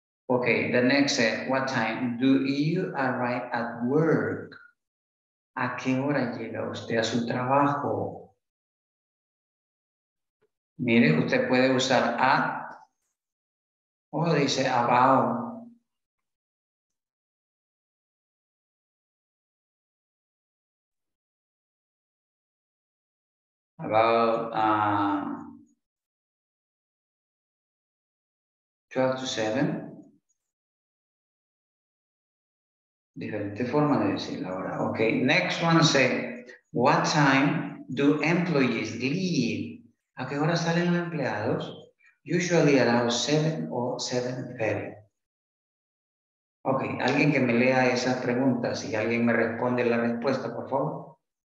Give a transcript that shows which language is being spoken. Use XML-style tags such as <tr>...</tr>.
<en>Okay, the next set, what time do you arrive at work?</en> <es>¿A qué hora llega usted a su trabajo? Mire, usted puede usar at, o dice about.</es> <en>About 12 to 7.</en> <es>Diferente forma de decirlo ahora.</es> <en>Okay, next one say, what time do employees leave?</en> <es>¿A qué hora salen los empleados?</es> <en>Usually around 7 or 7:30.</en> <es>Ok, alguien que me lea esas preguntas y alguien me responde la respuesta, por favor.</es>